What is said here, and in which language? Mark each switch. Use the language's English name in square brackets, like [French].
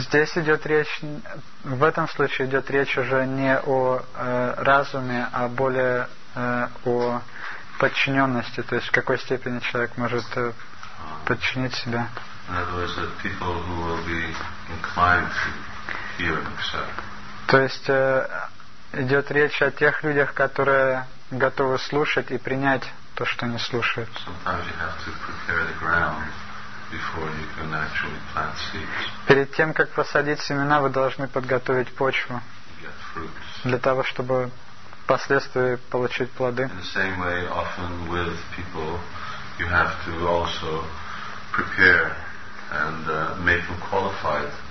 [Russian] Здесь идет речь, в этом случае идет речь уже не о разуме, а более о подчиненности, то есть в какой степени человек может подчинить себя. [English] In other words, that people who will be inclined to hear and accept. [Russian] То есть идет речь о тех людях, которые готовы слушать и принять то, что они слушают. [English] Sometimes you have to prepare the ground before you can actually plant seeds. [Russian] Перед тем, как посадить семена, вы должны подготовить почву для того, чтобы впоследствии получить плоды. [English] In the same way, often with people, you have to also prepare and make them qualified.